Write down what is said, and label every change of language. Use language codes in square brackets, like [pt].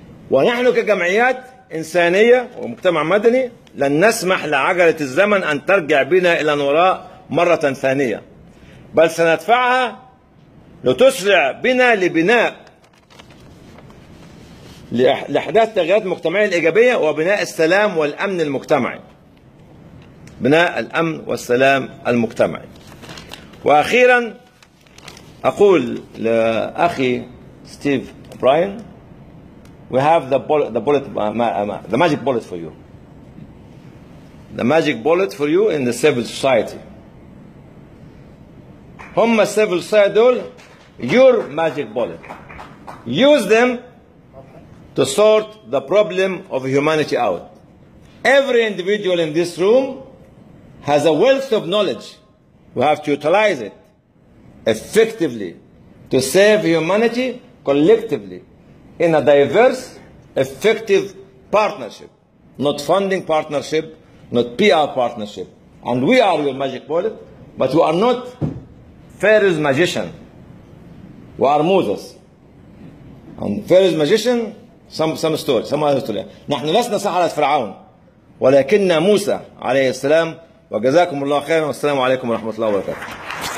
[ar] ونحن كجمعيات إنسانية ومجتمع مدني لن نسمح لعجلة الزمن أن ترجع بنا إلى الوراء مرة ثانية، بل سندفعها لتسرع بنا لبناء لإحداث تغييرات مجتمعية إيجابية وبناء السلام والأمن المجتمعي، بناء الأمن والسلام المجتمعي. وأخيرا أقول لأخي ستيف براين، [en] we have the magic bullet for you, the magic bullet for you in the civil society. [ar] هم السيفل سايد دول [en] your magic bullet. Use them to sort the problem of humanity out. Every individual in this room has a wealth of knowledge. We have to utilize it effectively to save humanity collectively in a diverse, effective partnership. Not funding partnership, not PR partnership. And we are your magic bullet, but we are not Pharaoh's magician. We are Moses. And Pharaoh's magician, some other story. [ar] نحن لسنا سحرة فرعون، ولكننا موسى عليه السلام. وجزاكم الله خيرا، والسلام عليكم ورحمة الله وبركاته.